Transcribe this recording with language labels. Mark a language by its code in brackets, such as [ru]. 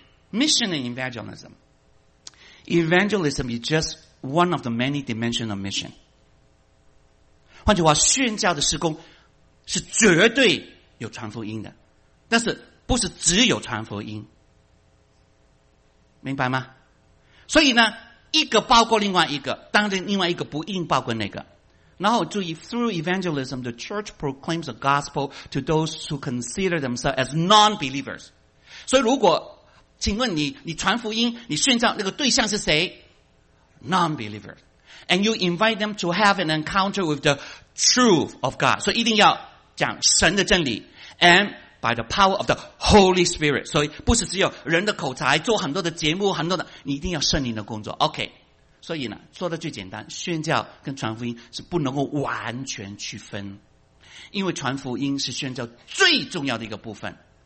[en] Mission and evangelismEvangelism is just one of the many dimensions of mission. [zh] 换句话，宣教的施工是绝对有传福音的。但是不是只有传福音，明白吗？所以呢，一个包括另外一个，当然另外一个不一定包括那个。然后注意 [en] through evangelism the church proclaims the gospel to those who consider themselves as non-believers。 [zh] 所以如果请问你，你传福音，你宣教那个对象是谁？ [en] non-believers。 And you invite them to have an encounter with the truth of God。 [zh] 所以一定要讲神的真理。 [en] And by the power of the Holy Spirit。 [zh] 所以不是只有人的口才，做很多的节目，很多的，你一定要圣灵的工作。 [en] OK。 [zh] 所以呢，说的最简单，宣教跟传福音是不能够完全区分，因为传福音是宣教最重要的一个部分。